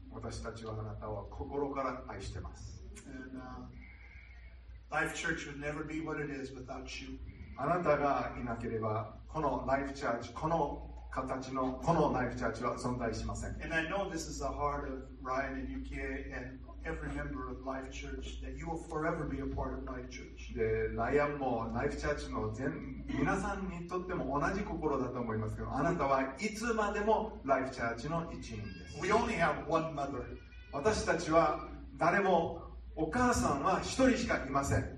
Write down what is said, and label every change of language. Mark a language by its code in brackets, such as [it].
[ja] 私たちはあなたを心から愛してます。 [en] And, Life Church would never be what it is without you. [ja] あなたがいなければこの Life Church、この形のこの Life Church は存在しません。 [en] And I know this is the heart of Ryan and UK and every member of Life Church that you will forever be a part of Life Church. [ja] で、ライアンもライフチャーチの全皆さんにとっても同じ心だと思いますけど、あなたはいつまでもライフチャーチの一員です。 [en] We only have one mother. [ja] 私たちは誰もお母さんは一人しかいません。